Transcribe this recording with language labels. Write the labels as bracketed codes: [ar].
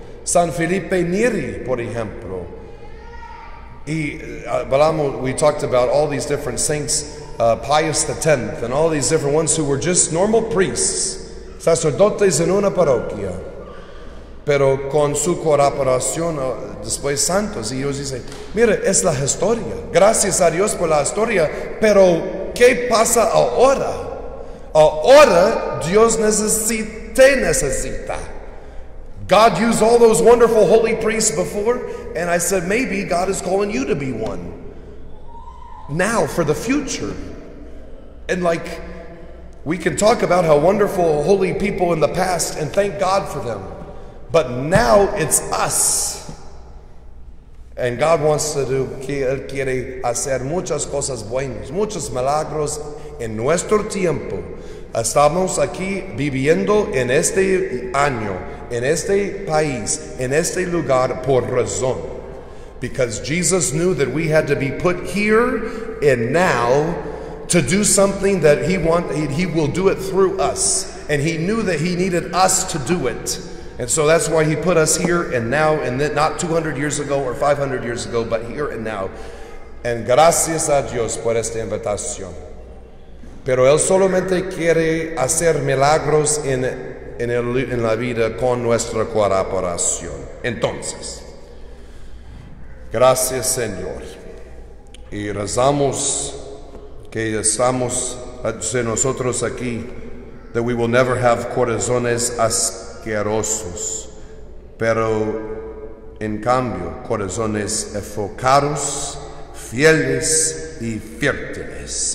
[en] San Felipe Neri, [es] por ejemplo. [en] We talked about all these different saints, Pius X, and all these different ones who were just normal priests, [es] sacerdotes en una parroquia, pero con su cooperación después santos. Y ellos dicen, mira, es la historia. Gracias a Dios por la historia, pero ¿qué pasa ahora? Ahora Dios necesita, necesita. [en] God used all those wonderful holy priests before, and I said, maybe God is calling you to be one. Now, for the future. And like, we can talk about how wonderful holy people in the past and thank God for them. But now it's us. And God wants to do, que Él quiere hacer muchas cosas buenas, muchos milagros en nuestro tiempo. [es] Estamos aquí viviendo en este año, en este país, en este lugar por razón. [en] Because Jesus knew that we had to be put here and now to do something that he will do it through us. And he knew that he needed us to do it. And so that's why he put us here and now, and then not 200 years ago or 500 years ago, but here and now. [es] And gracias a Dios por esta invitación. Pero él solamente quiere hacer milagros en la vida con nuestra colaboración. Entonces, gracias, Señor. Y rezamos que estamos, nosotros aquí, [en] that we will never have [es] corazones asquerosos, pero en cambio, corazones enfocados, fieles y fértiles.